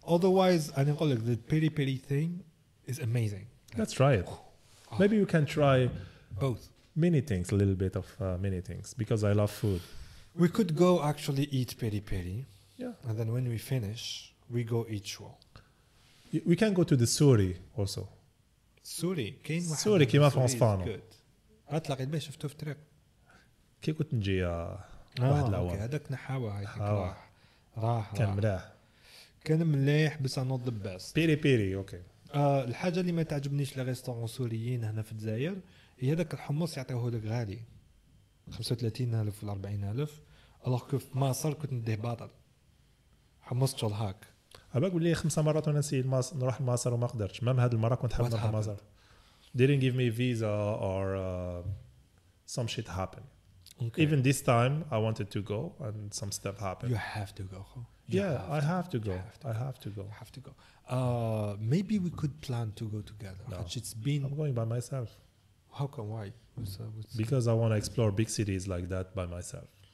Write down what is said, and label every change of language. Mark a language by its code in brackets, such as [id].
[en] Otherwise, I know, like, the piri piri thing is amazing. Like, let's try it. Maybe you can try both. Many things, a little bit of many things, because I love food. We could go actually eat piri piri. Yeah. And then when we finish, we go eat shawl. We can go to the Suri also. [ar] سوري كاين واحد سوري كيما فرونسبانو غير تلاقيت به شفتو في الطريق كي كنت نجي واحد الاول هذاك نحاوه هاي راح كان مليح كان مليح بس نوت ذا بيست بيري بيري اوكي الحاجه اللي ما تعجبنيش لي ريستورون سوريين هنا في الجزائر هي هذاك الحمص يعطيوه لك غالي 35000 ولا 40000 الوغ كو في مصر كنت نديه باطل حمص شغل هاك أباك بلي خمسة مرات وأنا نسيت نروح لمصر وما قدرتش مام هاد المرة كنت حاب نروح لمصر [en] didn't give me visa or some shit happened Even this time I wanted to go and some stuff happened you have to go you yeah have I have to go have to. I have to go you have to go maybe we could plan to go together no. It's been I'm going by myself how come why what's, because I want to explore big cities like that by myself